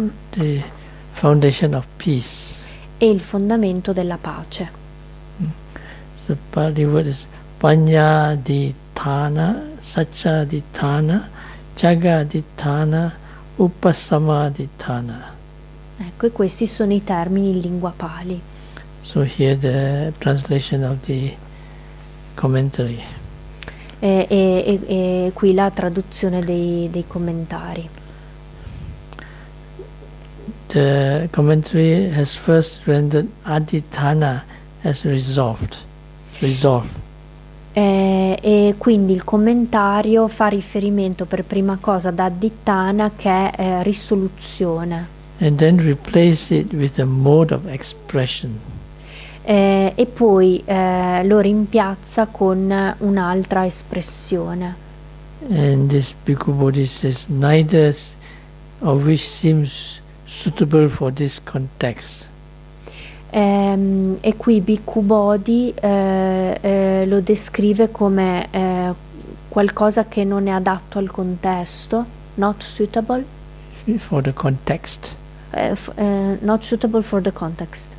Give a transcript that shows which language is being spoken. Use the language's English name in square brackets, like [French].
[English] the foundation of peace, [Italian] e il fondamento della pace. [English] The Pali word is Panyadhitana, Sacchadhitana, Jagadhitana, Upasamadhitana. [Italian] Ecco, e questi sono i termini in lingua Pali. [English] So here the translation of the commentary. [Italian] E qui la traduzione dei commentari. [English] The commentary has first rendered Adhitana as resolved. [Italian] E quindi il commentario fa riferimento per prima cosa ad Adhitana, che è risoluzione. [English] And then replace it with a mode of expression. [Italian] E poi lo rimpiazza con un'altra espressione. [English] And this Bhikkhu Bodhi says neither of which seems suitable for this context. [Italian] E qui Bhikkhu Bodhi lo descrive come qualcosa che non è adatto al contesto, [English] not suitable for the context. Not suitable for the context.